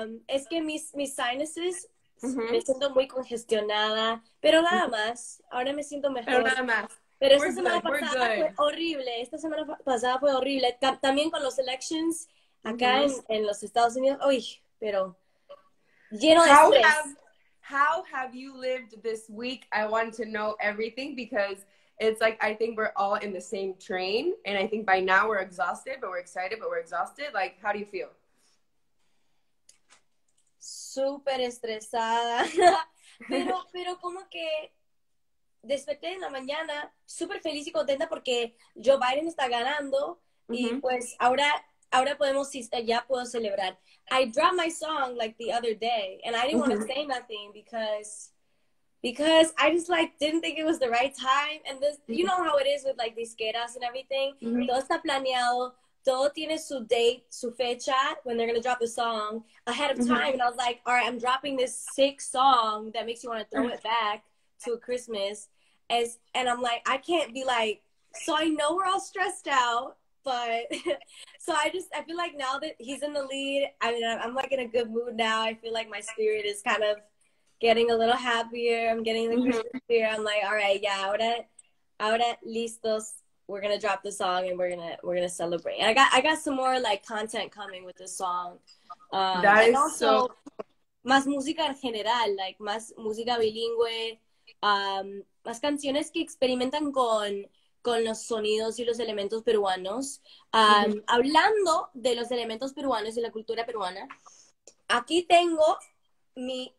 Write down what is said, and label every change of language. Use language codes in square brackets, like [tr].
[es] Es que mis sinuses, me siento muy congestionada, pero nada más, ahora me siento mejor. Pero nada más. Pero esta semana pasada fue horrible, también con los elections acá en los Estados Unidos, uy, pero lleno de estrés. [en] How have you lived this week? I want to know everything because it's like, I think we're all in the same train. And I think by now we're exhausted, but we're excited, but we're exhausted. Like, how do you feel? [es] Super estresada. pero como que desperté en la mañana super feliz y contenta porque Joe Biden está ganando. Mm-hmm. Y pues ahora podemos, ya puedo celebrar. [en] I dropped my song like the other day and I didn't want to say nothing because I just like didn't think it was the right time. And this, you know how it is with like disqueras and everything. Mm-hmm. [es] Todo está planeado. Todo tiene su date, su fecha, [en] when they're going to drop the song ahead of time. Mm-hmm. And I was like, all right, I'm dropping this sick song that makes you want to throw it back to Christmas. And I'm like, I can't be like, so I know we're all stressed out. But, so I feel like now that he's in the lead, I mean, I'm like in a good mood now. I feel like my spirit is kind of getting a little happier. I'm getting the Christmas spirit. I'm like, all right, yeah, [es] ahora listos. [en] We're going to drop the song and we're gonna celebrate. And I got some more like content coming with the song. That and is also, so... [es] Más música en general, like más música bilingüe, más canciones que experimentan con los sonidos y los elementos peruanos. Hablando de los elementos peruanos y la cultura peruana, aquí tengo mi...